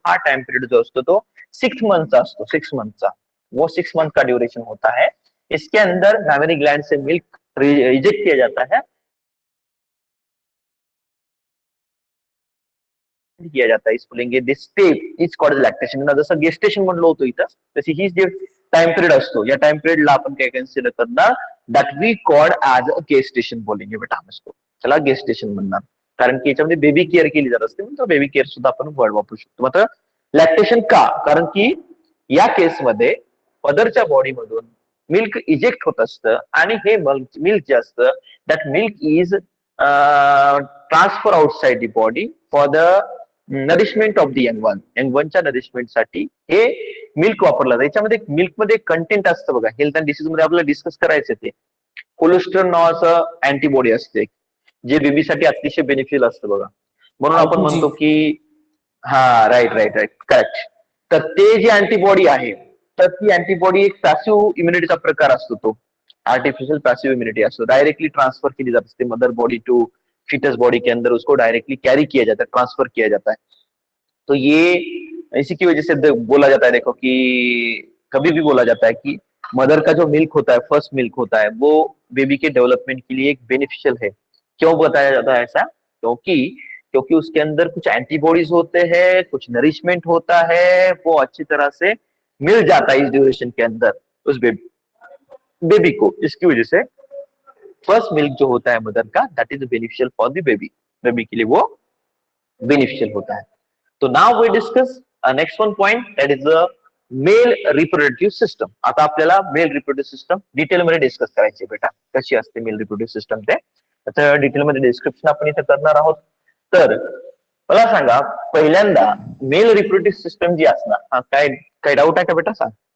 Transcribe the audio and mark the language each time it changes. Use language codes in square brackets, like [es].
[mr] हा time period जो असतो तो सिक्स मंथचा असतो, सिक्स मंथचा [hi] वो सिक्स मंथ का ड्युरेशन होता है. इसके अंदर मैमरी ग्लैंड से मिल्क रिजेक्ट किया जाता है, किया जाता है, इसको लेंगे [en] This step is called lactation. [mr] ना जसं गेस्टेशन म्हटलं होतं इथं, तशी ही जे टाइम पीरियड असतो या टाइम पीरियडला आपण काय कन्सिडर करणार, [en] that we called as a gestation [mr] बोलेंगे बेटा. त्याला गेस्टेशन म्हणणार, कारण की याच्यामध्ये बेबी केअर केली जात असते, म्हणून बेबी केअर सुद्धा आपण वर्ड वापरू शकतो. मात्र लॅक्टेशन का? कारण की या केसमध्ये मदरच्या बॉडीमधून मिल्क इजेक्ट होत असतं, आणि हे मिल्क जे असतं [en] That milk is transfer outside the body for the nourishment of the young one. [mr] Young वनच्या नरिशमेंट साठी हे मिल्क वापरलं जातं. याच्यामध्ये मिल्क मध्ये कंटेंट असतं बघा, हेल्थ अँड डिसीज मध्ये आपल्याला डिस्कस करायचं, ते कोलेस्ट्रॉल नावाचं अँटीबॉडी असते जे बेबीसाठी अतिशय बेनिफिशियल असतं बघा. म्हणून आपण म्हणतो की हा राईट राईट राईट करेक्ट. तर ते जे अँटीबॉडी आहे, तर ती अँटीबॉडी एक पॅसिव्ह इम्युनिटीचा प्रकार असतो, तो [hi] आर्टिफिशियल पैसिव इम्यूनिटी है, सो डायरेक्टली ट्रांसफर की जा सकती है mother body to foetus body के अंदर, उसको डायरेक्टली कैरी किया जाता है, ट्रांसफर किया जाता है। तो ये इसी की वजह से बोला जाता है, देखो कि कभी भी बोला जाता है कि मदर का जो मिल्क होता है, फर्स्ट मिल्क होता है, वो बेबी के डेवलपमेंट के लिए एक बेनिफिशियल है। क्यों बताया जाता है ऐसा? क्योंकि उसके अंदर कुछ एंटीबॉडीज होते हैं, कुछ नरिशमेंट होता है, वो अच्छी तरह से मिल जाता है इस ड्यूरेशन के अंदर उस बेबी को। इसकी वजह से फर्स्ट मिल्क जो होता है मदर का, [en] that is beneficial for the baby, [hi] baby के लिए वो बेनिफिशियल होता है। [en] तो now we discuss a next one point, that is a male reproductive system. [mr] आता आपल्याला मेल रिप्रोड्यूटिव सिस्टम डिटेल मध्ये डिस्कस करायची बेटा, कशी असते मेल रिप्रोड्यूटिव सिस्टम ते, त्याचं डिटेल मध्ये डिस्क्रिप्शन आपण इथे करणार आहोत। तर मला सांगा पहिल्यांदा मेल रिप्रोड्यूटिव सिस्टम जी असणार, हा काय काय डाऊट आहे का बेटा सांग।